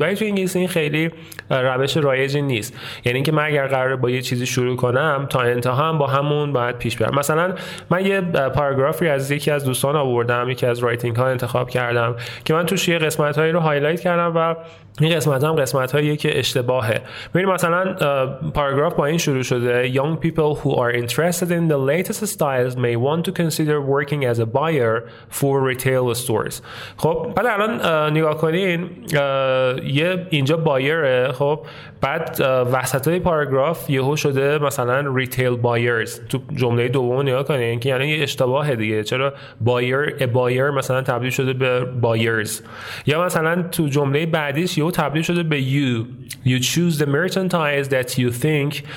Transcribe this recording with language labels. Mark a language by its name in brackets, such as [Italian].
[Persian] ولی تو انگلیسی این خیلی روش رایجی نیست. یعنی اینکه من اگر قراره با یه چیزی شروع کنم، تا انتها هم با همون باید پیش برم. مثلا من یه پاراگرافی از یکی از دوستان آوردم، یکی از رایتینگ ها انتخاب کردم که من توش یه قسمت هایی رو هایلایت کردم و این قسمت هم قسمت هایی که اشتباهه. ببینید مثلا پاراگراف با این شروع شده: [English] Young people who are interested in the latest styles may want to consider working as a buyer for retail stores. [Persian] خب بعد الان نگاه کنین، یه اینجا بایره، خب بعد وسط های پاراگراف یهو شده مثلا retail buyers. تو جمله دوم نگاه کنین که یعنی یه اشتباهه دیگه، چرا a buyer مثلا تبدیل شده به buyers، یا مثلا تو جمله بعدیش یهو تبدیل شده به [English] you choose the merchandise that you think.